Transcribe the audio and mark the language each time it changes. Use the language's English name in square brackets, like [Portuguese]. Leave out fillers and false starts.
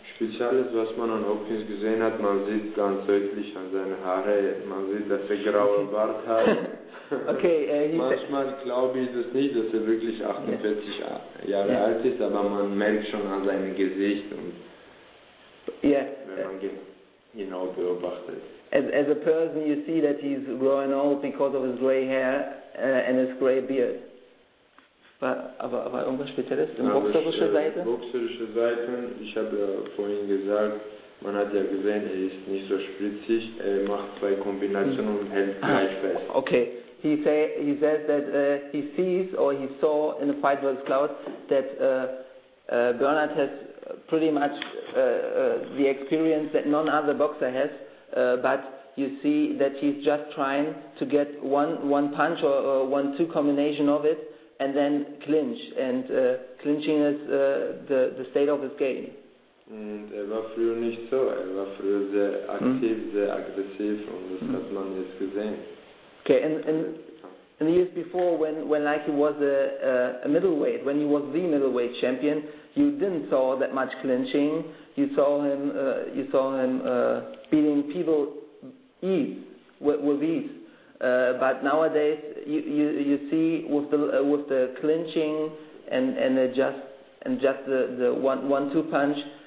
[German] Spezielles, was man an Hopkins gesehen hat, man sieht ganz deutlich an seinen Haaren, man sieht, dass er graue Bart hat. [English] Okay, [German] manchmal glaube ich das nicht, dass er wirklich 48 Jahre alt ist, aber man merkt schon an seinem Gesicht und wenn man genau beobachtet. [English] As a person, you see that he's growing old because of his gray hair and his gray beard. [German] Aber irgendwas Spezielles? Ja, boxerische Seite? Boxerische Seite. Ich habe ja vorhin gesagt, man hat ja gesehen, er ist nicht so spritzig. Er macht zwei Kombinationen und hält gleich fest. [English] Okay. He says that he sees or he saw in the fight with Cloud that Bernard has pretty much the experience that none other boxer has, but you see that he's just trying to get one punch or one-two combination of it, and then clinch. And clinching is the state of his game. And [German] er war früher nicht so. Er war früher sehr aktiv, sehr aggressiv, und das hat man jetzt gesehen. [English] Okay, and the years before, when like he was a middleweight, when he was the middleweight champion, you didn't saw that much clinching. You saw him beating people with ease. But nowadays, you see with the clinching and just the 1-2 punch.